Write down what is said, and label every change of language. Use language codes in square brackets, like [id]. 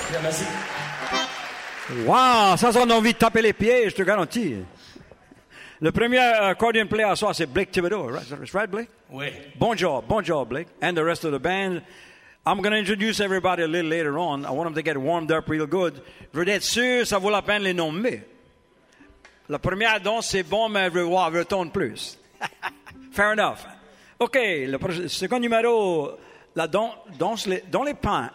[fr] Ça, ça donne envie de taper les pieds, je te garantis. Le premier accordion player à soir, c'est Blake Thibodeau. [en] Right, Blake? [fr] Oui. [en] Bonjour, bonjour, Blake, and the rest of the band. I'm going to introduce everybody a little later on. I want them to get warmed up real good. [fr] Je veux être sûr, ça vaut la peine de les nommer. La première danse, c'est bon, mais je veux voir, retourne plus. Fair enough. OK, le second numéro, la danse dans les pins.